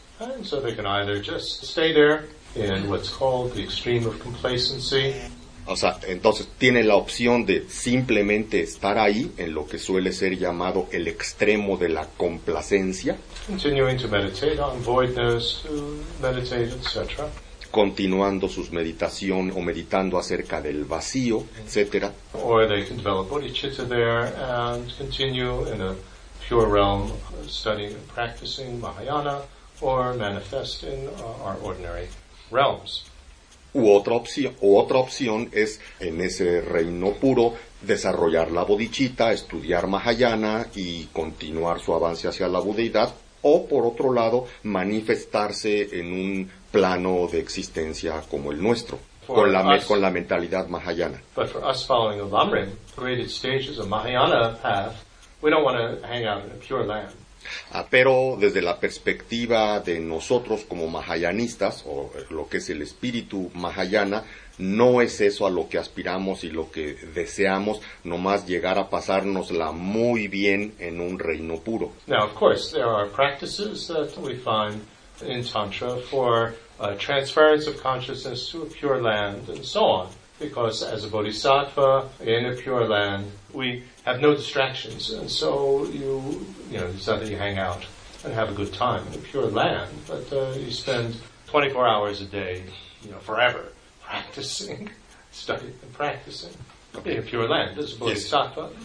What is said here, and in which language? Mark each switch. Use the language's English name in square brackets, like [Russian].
[English] And so they can either just stay there in what's called the extreme of complacency. [Spanish] O sea, entonces tienen la opción de simplemente estar ahí en lo que suele ser llamado el extremo de la complacencia. [English] Continuing to meditate on voidness, to meditate, etc. [Spanish] Continuando sus meditación o meditando acerca del vacío, etcétera. [English] Or they can develop bodhicitta there and continue in a pure realm studying and practicing Mahayana or manifesting our ordinary realms. [Spanish] U otra opción es en ese reino puro desarrollar la bodhicitta, estudiar Mahayana y continuar su avance hacia la budeidad, o por otro lado manifestarse en un plano de existencia como el nuestro, con la mentalidad mahayana. [English] But for us following the lam-rim, graded stages of Mahayana path, we don't want to hang out in a pure land. [Spanish] Pero desde la perspectiva de nosotros como mahayanistas, o lo que es el espíritu mahayana, no es eso a lo que aspiramos y lo que deseamos, nomás llegar a pasárnosla muy bien en un reino puro. [English] Now, of course, there are practices that we find in Tantra for transference of consciousness to a pure land and so on. Because as a bodhisattva in a pure land, we have no distractions. And so it's not that you hang out and have a good time in a pure land, but you spend 24 hours a day, forever, practicing, studying and practicing in a pure land as a bodhisattva.